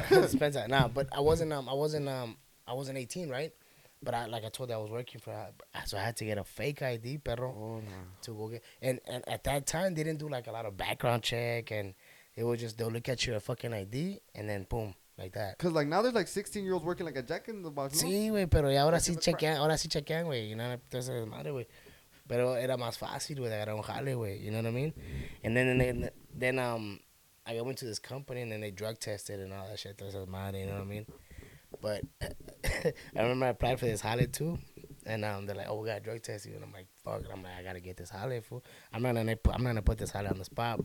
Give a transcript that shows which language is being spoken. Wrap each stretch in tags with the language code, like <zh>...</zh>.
<en>Dispensa. Nah, but I wasn't 18, right? But I was working for her, so I had to get a fake ID, perro. Oh, no. To go get, and at that time they didn't do like a lot of background check, and it was just they'll look at your fucking ID and then boom, like that. Cause like now there's like 16 year olds working like a jack in the box.</en> <es>Sí, güey, pero ya ahora sí chequean, güey.</es> <en>You know,</en> <es>entonces madre, güey. Pero era más fácil, güey. Era un jale, güey.</es> <en>You know what I mean? And then I went to this company and then they drug tested and all that shit.</en> <es>Entonces madre,</es> <en>you know what I mean? But I remember I applied for this holiday too, and they're like, "Oh, we got a drug test." And I'm like, "Fuck!" And I'm like, "I gotta get this holiday, fool. I'm not gonna put this holiday on the spot."</en>